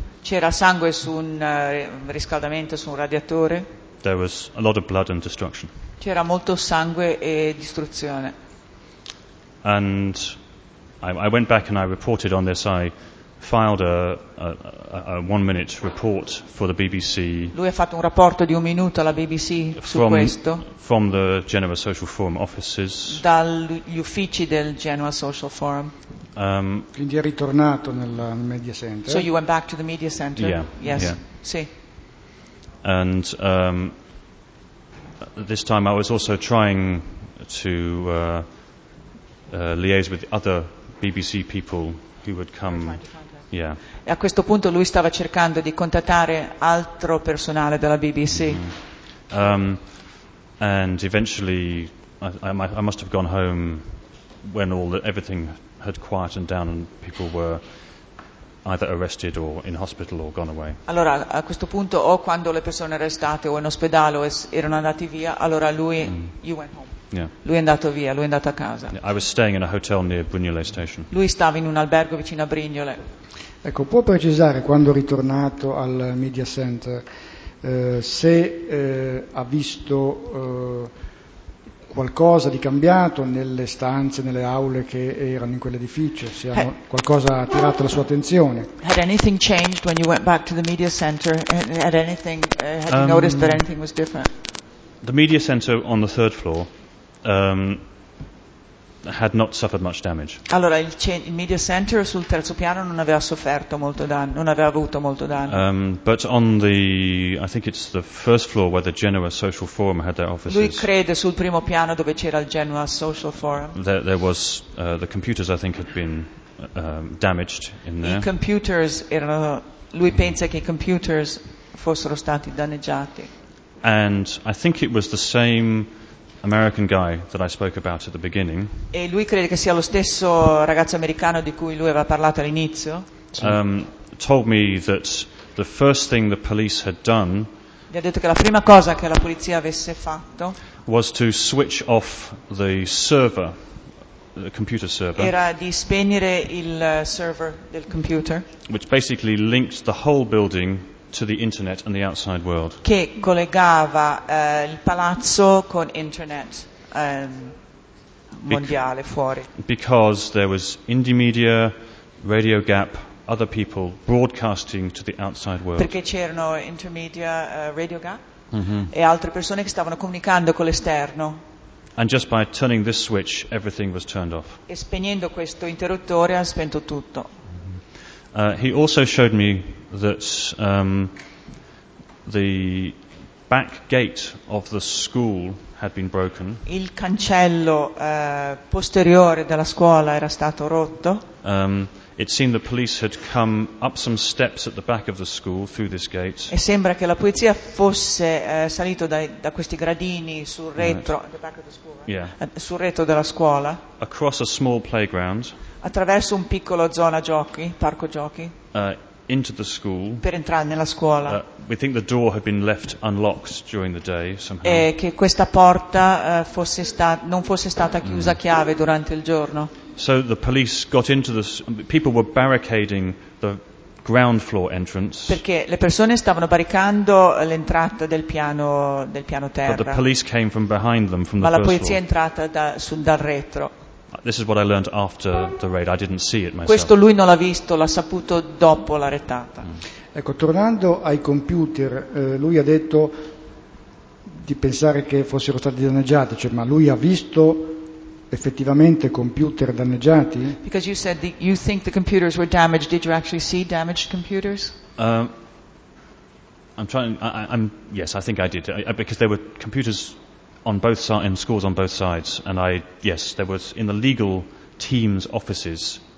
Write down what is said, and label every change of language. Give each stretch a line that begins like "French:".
Italian: C'era sangue su un riscaldamento, su un radiatore.
English: There was a lot of blood and destruction.
Italian: C'era molto sangue e distruzione.
English: And I went back and I reported on this. I filed a 1 minute report for the BBC.
Italian: Lui ha fatto un rapporto di un minuto alla BBC su questo.
English: From the Genoa Social Forum offices.
Italian: Dagli uffici del Genoa Social Forum. Quindi è ritornato nel media center.
English: So you went back to the media center? Yeah. Yes. Yeah.
Italian: Sì.
English: And this time I was also trying to liaise with other BBC people who would come. Yeah.
Italian: E a questo punto lui stava cercando di contattare altro personale della BBC. Mm-hmm.
English: And eventually I must have gone home when everything had quietened down and people were either arrested or in hospital or gone away.
Italian: Allora, a questo punto, o quando le persone erano arrestate o in ospedale o erano andati via, allora lui,
English: you went home. Yeah.
Italian: Lui è andato via, lui è andato a casa.
English: I was staying in a hotel near Brignole station.
Italian: Lui stava in un albergo vicino a Brignole. Ecco, può precisare quando è ritornato al media center se ha visto qualcosa di cambiato nelle stanze, nelle aule che erano in quell'edificio, se qualcosa ha attirato la sua attenzione.
English: Had anything changed when you went back to the media center? Had you noticed that anything was different? The media center on the third floor had not suffered much damage.
Italian: Allora il media center sul terzo piano non aveva sofferto molto danno, non aveva avuto molto danno.
English: But on the, I think it's the first floor where the Genoa Social Forum had their offices.
Italian: Lui crede sul primo piano dove c'era il Genoa Social Forum.
English: There was the computers, I think, had been damaged in there.
Italian: I computers erano. Lui pensa che i computers fossero stati danneggiati.
English: And I think it was the same American guy that I spoke about at the beginning.
Italian: E lui crede che sia lo stesso ragazzo americano di cui lui aveva parlato all'inizio.
English: Told me that the first thing the police had done.
Italian: Gli ha detto che la prima cosa che la polizia avesse fatto.
English: Was to switch off the server, the computer server.
Italian: Era di spegnere il server del computer.
English: Which basically linked the whole building to the internet and the outside world.
Italian: Che collegava il palazzo con internet mondiale fuori.
English: Because there was indie media, Radio Gap, other people broadcasting to the outside world.
Italian: Perché c'erano Intermedia, Radio Gap, mm-hmm. e altre persone che stavano comunicando con l'esterno.
English: And just by turning this switch, everything was turned off.
Italian: E spegnendo questo interruttore ha spento tutto.
English: He also showed me that the back gate of the school had been broken.
Italian: Il cancello posteriore della scuola era stato rotto.
English: It seemed the police had come up some steps at the back of the school through this gate.
Italian: E sembra che la polizia fosse salito da questi gradini sul retro,
English: right. The back of the school, right? Yeah.
Italian: Sul retro della scuola.
English: Across a small playground.
Italian: Attraverso un piccolo zona giochi, parco giochi.
English: Into the school.
Italian: Per entrare nella scuola.
English: We think the door had been left unlocked during the day somehow.
Italian: E che questa porta non fosse stata chiusa a chiave durante il giorno.
English: So the police got into the people were barricading the ground floor entrance.
Italian: Perché le persone stavano barricando l'entrata del piano terra.
English: But the police came from behind them from the first floor.
Italian: Ma la polizia è entrata dal retro.
English: This is what I learned after the raid. I didn't see it myself.
Italian: Questo lui non l'ha visto, l'ha saputo dopo la retata. Ecco, tornando ai computer, lui ha detto di pensare che fossero stati danneggiati, cioè, ma lui ha visto effettivamente computer danneggiati?
English: Because you said that you think the computers were damaged, did you actually see damaged computers? Yes, I think I did. Because there were computers on both sides, in schools on both sides, and I, yes, there was in the legal team's offices